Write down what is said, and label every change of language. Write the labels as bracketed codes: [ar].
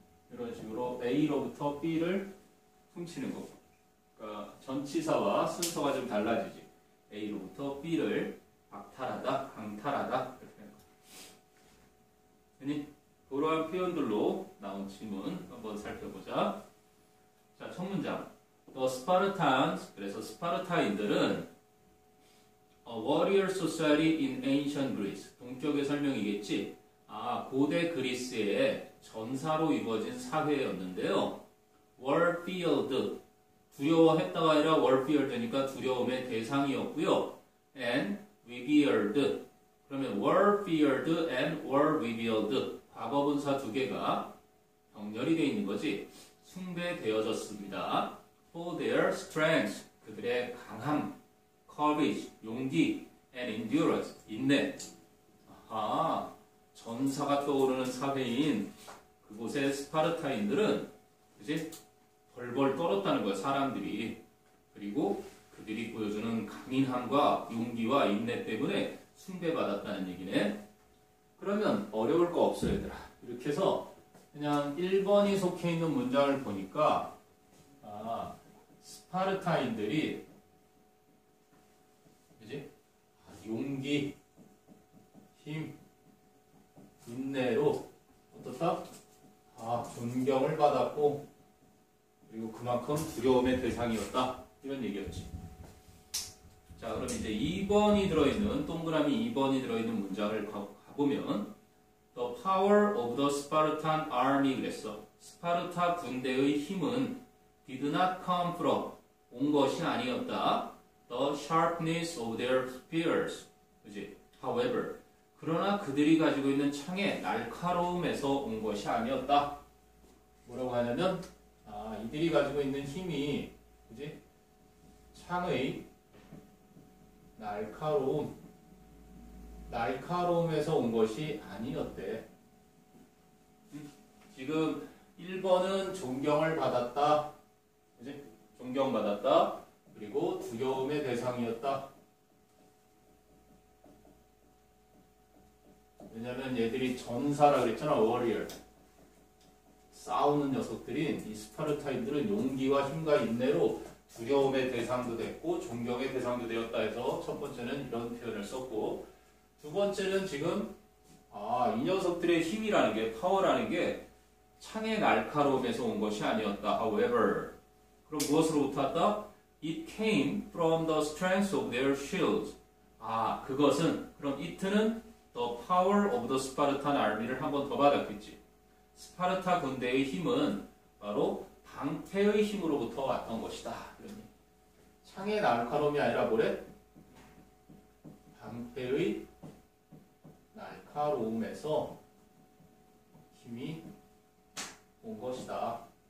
[ko] 이런 식으로 A로부터 B를 훔치는 거. 그러니까 전치사와 순서가 좀 달라지지. A로부터 B를 박탈하다, 강탈하다. 이렇게 그러한 표현들로 나온 질문 한번 살펴보자. 자, 첫 문장. [en] The Spartans, [ko] 그래서 스파르타인들은 [en] a warrior society in ancient Greece. [ko] 동적의 설명이겠지. 아, 고대 그리스의 전사로 이루어진 사회였는데요. [en] War feared, [ko] 두려워했다가 아니라 War feared니까 두려움의 대상이었고요. [en] And revered, [ko] 그러면 [en] War feared and War revered, [ko] 과거분사 두 개가 병렬이 되어 있는 거지. 숭배되어졌습니다. [en] For their strength, [ko] 그들의 강함, [en] courage, [ko] 용기, [en] and endurance, [ko] 인내. 아하. 전사가 떠오르는 사회인 그곳의 스파르타인들은, 그지? 벌벌 떨었다는 거야, 사람들이. 그리고 그들이 보여주는 강인함과 용기와 인내 때문에 숭배받았다는 얘기네. 그러면 어려울 거 없어, 얘들아. 이렇게 해서 그냥 1번이 속해 있는 문장을 보니까, 아, 스파르타인들이, 그지? 아, 용기, 힘, 인내로 어떻다? 아, 존경을 받았고 그리고 그만큼 두려움의 대상이었다 이런 얘기였지. 자, 그럼 이제 2번이 들어있는 동그라미 2번이 들어있는 문장을 가보면 [en] The power of the Spartan army [ko] 그랬어. 스파르타 군대의 힘은 [en] did not come from [ko] 온 것이 아니었다. [en] The sharpness of their spears [ko] 그지? [en] However [ko] 그러나 그들이 가지고 있는 창의 날카로움에서 온 것이 아니었다. 뭐라고 하냐면, 이들이 가지고 있는 힘이, 그지? 창의 날카로움, 날카로움에서 온 것이 아니었대. 지금 1번은 존경을 받았다. 그지? 존경받았다. 그리고 두려움의 대상이었다. 왜냐면 얘들이 전사라 그랬잖아, warrior. 싸우는 녀석들인 이 스파르타인들은 용기와 힘과 인내로 두려움의 대상도 됐고 존경의 대상도 되었다 해서 첫 번째는 이런 표현을 썼고 두 번째는 지금 이 녀석들의 힘이라는 게 파워라는 게 창의 날카로움에서 온 것이 아니었다. [en] However, [ko] 그럼 무엇으로부터 왔다? [en] It came from the strength of their shields. [ko] 그것은 그럼 it는 [en] the power of the Spartan army [ko] 를 한 번 더 받았겠지. 스파르타 군대의 힘은 바로 방패의 힘으로부터 왔던 것이다. 이러니. 창의 날카로움이 아니라 뭐래? 방패의 날카로움에서 힘이 온 것이다.